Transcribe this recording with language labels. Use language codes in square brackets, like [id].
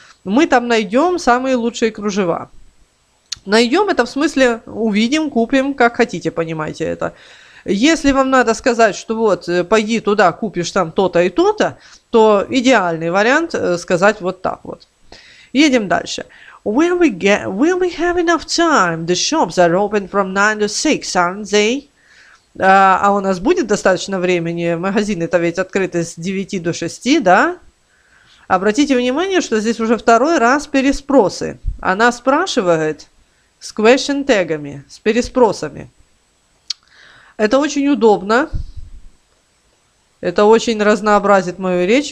[ru] Мы там найдем самые лучшие кружева. Найдем это в смысле увидим, купим, как хотите, понимаете это. Если вам надо сказать, что вот пойди туда, купишь там то-то и то-то, то идеальный вариант сказать вот так вот. Едем дальше. [en] Will we have enough time? The shops are open from 9 to 6, aren't they? [ru] А у нас будет достаточно времени? Магазины-то ведь открыты с 9 до 6, да? Обратите внимание, что здесь уже второй раз переспросы. Она спрашивает с question тегами, с переспросами. Это очень удобно. Это очень разнообразит мою речь.